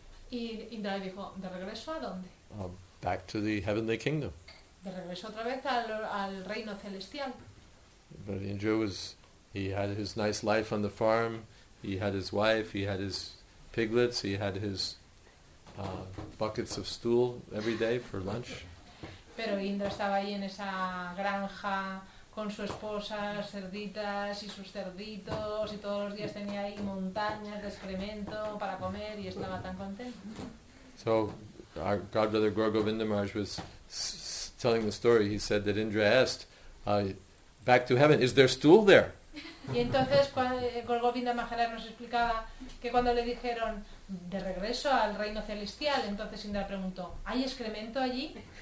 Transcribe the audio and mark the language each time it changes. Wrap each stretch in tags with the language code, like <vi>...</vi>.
<es>Y Indra le dijo, ¿de regreso a dónde?</es> <en>Back to the heavenly kingdom.</en> <es>De regreso otra vez al reino celestial.</es> <en>But Indra was, he had his nice life on the farm, he had his wife, he had his piglets, he had his buckets of stool every day for lunch.</en> <es>Pero Indra estaba ahí en esa granja con su esposa, las cerditas y sus cerditos, y todos los días tenía ahí montañas de excremento para comer y estaba tan contento.</es> <en>So our godbrother Gaur Govinda Maharaj was telling the story. He said that Indra asked, back to heaven, is there stool there?</en> <es>Y entonces Gaur Govinda Maharaj nos explicaba que cuando le dijeron de regreso al reino celestial, entonces Indra preguntó, ¿hay excremento allí?</es>